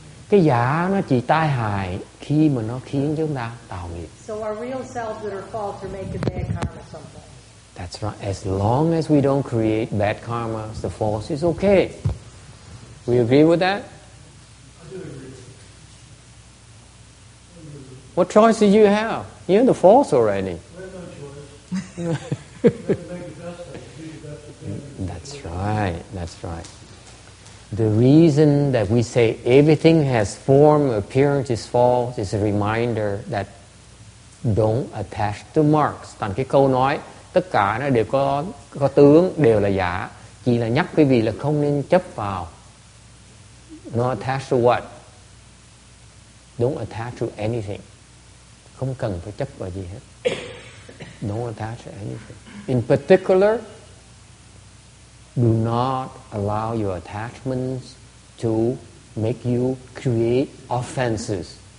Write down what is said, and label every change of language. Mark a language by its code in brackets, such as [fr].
[vi] Cái giả nó chỉ tai hại khi mà nó khiến chúng ta tạo nghiệp. [en] So our real selves that are false are making bad karma sometimes. That's right. As long as we don't create bad karma, the false is okay. We agree with that? I do agree. What choice do you have? You're in the false already. We have no choice. That's right. The reason that we say everything has form, appearance is false is a reminder that don't attach to marks. [vi] Thành cái câu nói tất cả nó đều có tướng, đều là giả. Chỉ là nhắc quý vị là không nên chấp vào. [en] Not attach to what? Don't attach to anything. [vi] Không cần phải chấp vào gì hết. [en] Don't attach to anything. In particular, do not allow your attachments to make you create offenses.